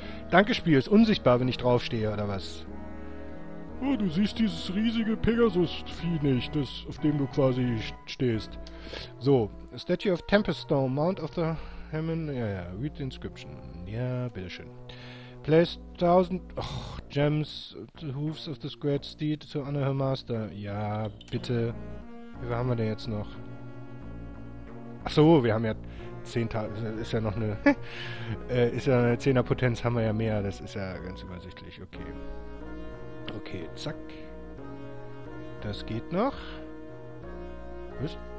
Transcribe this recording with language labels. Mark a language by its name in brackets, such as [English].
[German] Danke, Spiel, ist unsichtbar, wenn ich draufstehe, oder was? Oh, du siehst dieses riesige Pegasus-Vieh nicht, das, auf dem du quasi stehst. [English] So, Statue of Tempeststorm, Mount of the Hammond. Ja, ja, read the inscription. [German] Ja, bitteschön. [English] Place 1000 Gems, the Hooves of this Great Steed to honor her master. [German] Ja, bitte. Wie viel haben wir denn jetzt noch? Achso, wir haben ja 10.000, ist ja noch eine, ist ja eine 10er Potenz, haben wir ja mehr, das ist ja ganz übersichtlich, okay. Okay, zack. Das geht noch. Was?